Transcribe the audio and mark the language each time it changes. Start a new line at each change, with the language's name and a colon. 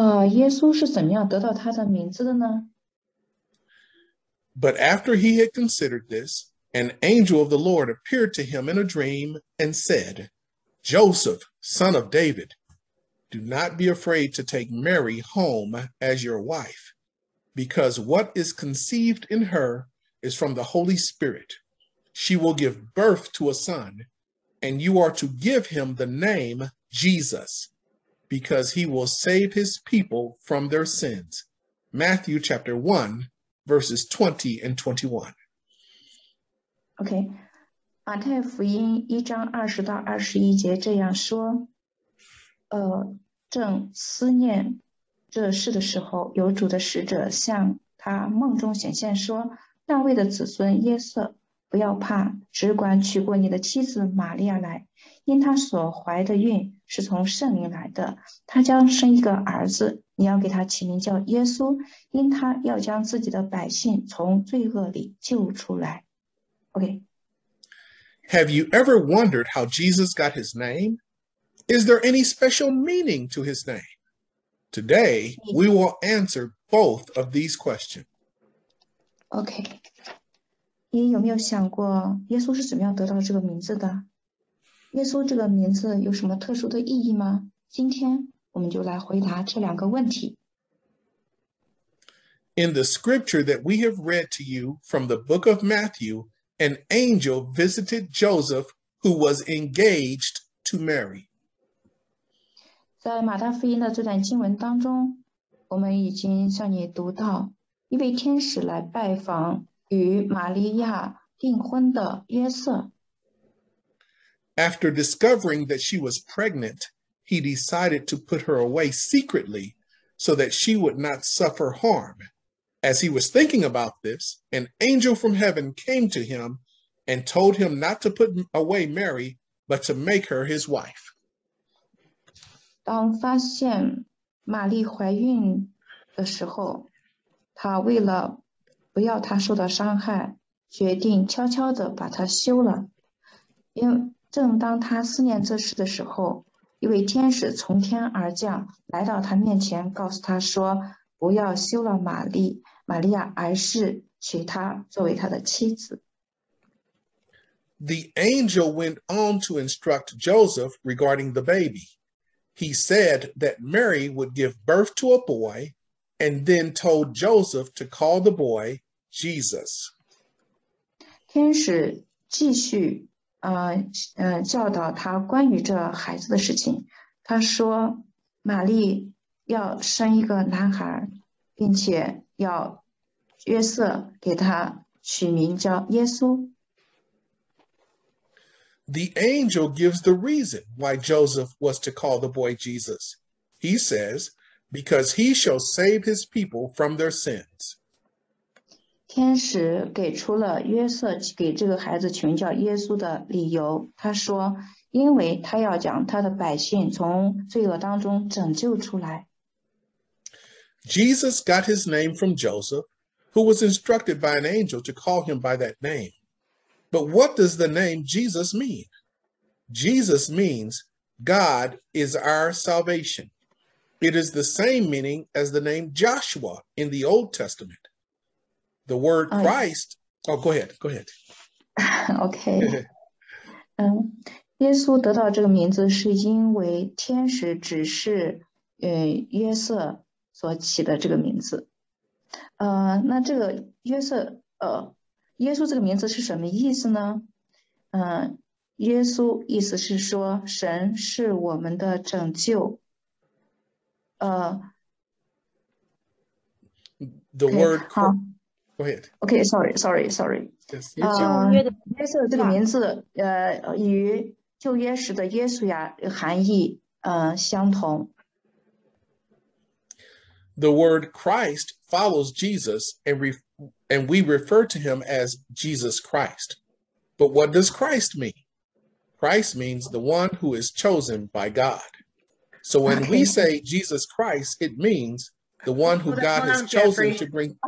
Chinese: 耶稣是怎么样得到他的名字的呢？
English: But after he had considered this,An angel of the Lord appeared to him in a dream and said, Joseph, son of David, do not be afraid to take Mary home as your wife, because what is conceived in her is from the Holy Spirit. She will give birth to a son, and you are to give him the name Jesus, because he will save his people from their sins. Matthew chapter 1, verses 20 and 21.
Chinese: OK, 马太福音一章二十到二十一节这样说，正思念这事的时候，有主的使者向他梦中显现说，大卫的子孙耶瑟，不要怕，只管娶过你的妻子玛利亚来，因她所怀的孕是从圣灵来的，她将生一个儿子，你要给他起名叫耶稣，因他要将自己的百姓从罪恶里救出来。
English: Okay. Have you ever wondered how Jesus got his name? Is there any special meaning to his name? Today, we will answer both of these questions. Okay.
Chinese: 你有没有想过耶稣是怎么样得到这个名字的？耶稣这个名字有什么特殊的意义吗？今天我们就来回答这两个问题。
English: In the scripture that we have read to you from the book of Matthew,An angel visited Joseph, who was engaged to Mary.
Chinese: 在马太福音的这段经文当中，我们已经向你读到，一位天使来拜访与玛利亚订婚的约瑟。
English: After discovering that she was pregnant, he decided to put her away secretly so that she would not suffer harm. As he was thinking about this, an angel from heaven came to him and told him not to put away Mary, but to make her his wife.
Chinese: 当发现玛丽怀孕的时候，他为了不要她受到伤害，决定悄悄地把她休了。因为正当他思念这事的时候，一位天使从天而降，来到他面前，告诉他说，不要休了玛丽。 Maria, 而是娶她作为她的妻子。
English: The angel went on to instruct Joseph regarding the baby. He said that Mary would give birth to a boy and then told Joseph to call the boy Jesus.
Chinese: 天使继续教导他关于这孩子的事情。他说玛丽要生一个男孩并且要约瑟给他取名叫耶稣。
English: The angel gives the reason why Joseph was to call the boy Jesus. He says, because he shall save his people from their sins.
Chinese: 天使给出了约瑟给这个孩子取名叫耶稣的理由。他说，因为他要将他的百姓从罪恶当中拯救出来。
English: Jesus got his name from Joseph. Who was instructed by an angel to call him by that name. But what does the name Jesus mean? Jesus means God is our salvation. It is the same meaning as the name Joshua in the Old Testament. The word Christ... Oh, go ahead. Okay.
Chinese: 耶稣得到这个名字是因为天使指示约瑟所起的这个名字。那这个约瑟，耶稣这个名字是什么意思呢？耶稣意思是说神是我们的拯救。
English: The word. Okay, 好。 Go ahead. Okay, sorry. Yes,
Chinese: 约瑟这个名字，与旧约时的耶稣呀含义相同。
English: The word Christ follows Jesus, and we refer to him as Jesus Christ. But what does Christ mean? Christ means the one who is chosen by God. So when we say Jesus Christ, it means the one who God has chosen to bring.